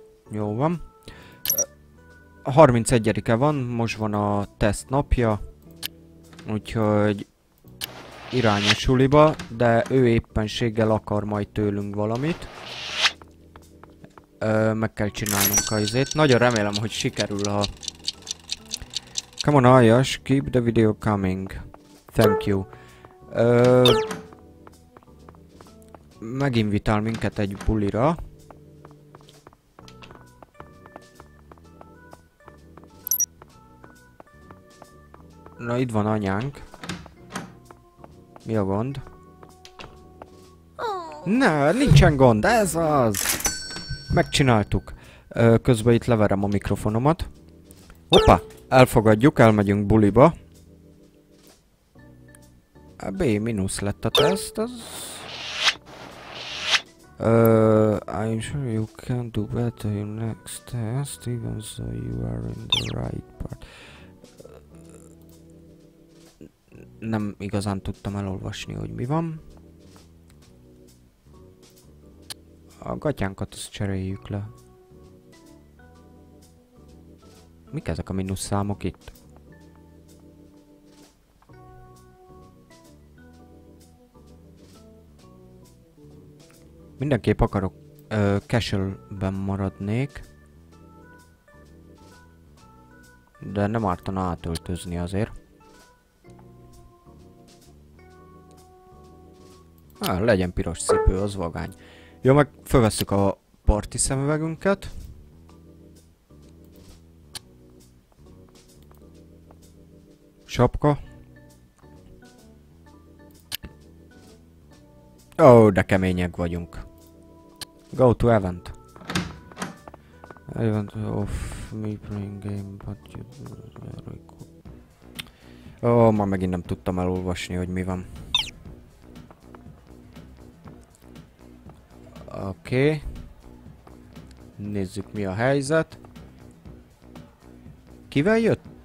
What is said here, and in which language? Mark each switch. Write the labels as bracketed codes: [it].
[hu] Jó van. A 31-e van, most van a teszt napja. Úgyhogy irány a suliba, de ő éppenséggel akar majd tőlünk valamit. Meg kell csinálnunk a izét. Nagyon remélem, hogy sikerül a... [en] Come on, Ayash, keep the video coming. Thank you. [hu] Meginvitál minket egy bulira. Na, itt van anyánk. Mi a gond? Na, nincsen gond, ez az! Megcsináltuk. Közben itt leverem a mikrofonomat. Hoppá! Elfogadjuk, elmegyünk buliba. A B minusz lett a teszt, az... [en] I'm sure you can do better in next test, even so you are in the right part. [hu] Nem igazán tudtam elolvasni, hogy mi van. A gatyánkat azt cseréljük le. Mik ezek a minusz számok itt? Mindenképp akarok Cashel-ben maradnék. De nem ártana átöltözni azért. Ah, legyen piros cipő, az vagány. Jó, meg fölvesszük a parti szemüvegünket. Sapka. Ó, de kemények vagyunk. [en] Go to event. Event of me playing game, but very cool. [hu] Ó, ma megint nem tudtam elolvasni, hogy mi van. Oké. Nézzük, mi a helyzet. Kivel jöttünk?